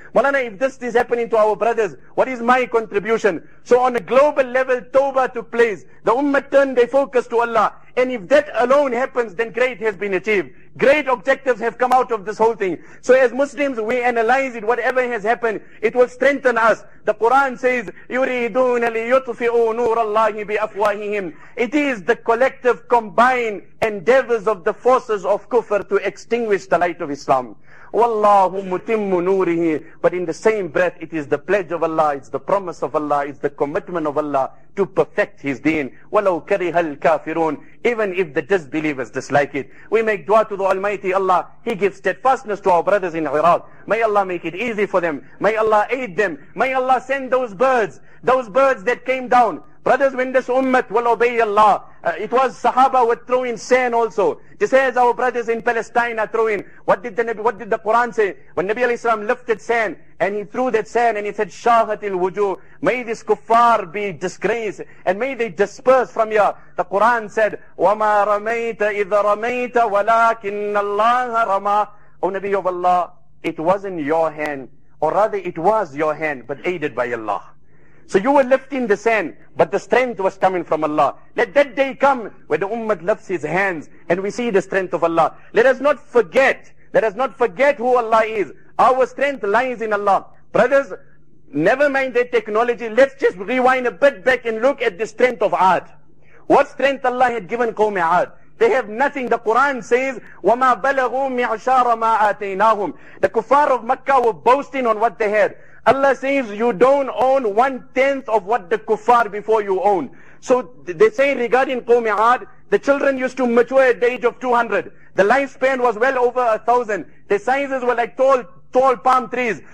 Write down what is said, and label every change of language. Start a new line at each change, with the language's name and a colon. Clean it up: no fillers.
English: Malana, if this is happening to our brothers, what is my contribution? So on a global level, Tawbah took place. The Ummah turned their focus to Allah. And if that alone happens, then great has been achieved. Great objectives have come out of this whole thing. So as Muslims, we analyze it. Whatever has happened, it will strengthen us. The Quran says,
Arabic: يُرِيدُونَ لِيُطْفِئُوا نُورَ اللَّهِ بِأَفْوَاهِهِمْ.
English: It is the collective combined endeavors of the forces of kufr to extinguish the light of Islam.
Arabic: وَاللَّهُ مُتِمُّ نُورِهِ.
English: But in the same breath, it is the pledge of Allah, it's the promise of Allah, it's the commitment of Allah to perfect His deen.
Arabic: وَلَوْ كَرِهَ الْكَافِرُونَ.
English: Even if the disbelievers dislike it. We make dua to the Almighty Allah. He gives steadfastness to our brothers in Iraq. May Allah make it easy for them. May Allah aid them. May Allah send those birds that came down. Brothers, when this ummah will obey Allah, it was Sahaba were throwing sand also. Just as our brothers in Palestine are throwing. What did the Quran say? When Nabi alayhi salam lifted sand And he threw that sand and he said,
Arabic: Shahatil wujuh,
English: may this kuffar be disgraced and may they disperse from here. The Quran said,
Arabic: وَمَا رَمَيْتَ إِذَا رَمَيْتَ وَلَكِنَّ اللَّهَ رَمَى.
English: O Nabi of Allah, it wasn't your hand, or rather it was your hand, but aided by Allah. So you were lifting the sand, but the strength was coming from Allah. Let that day come where the ummah lifts his hands and we see the strength of Allah. Let us not forget who Allah is. Our strength lies in Allah. Brothers, never mind the technology. Let's just rewind a bit back and look at the strength of Aad. What strength Allah had given Qawm Aad? They have nothing. The Quran says,
Arabic: وَمَا بَلَغُوا مِعْشَارَ مَا آتَيْنَاهُمْ.
English: The kuffar of Makkah were boasting on what they had. Allah says, you don't own 1/10 of what the kuffar before you owned. So they say regarding Qawm Aad, the children used to mature at the age of 200. The lifespan was well over 1,000. The sizes were like tall palm trees.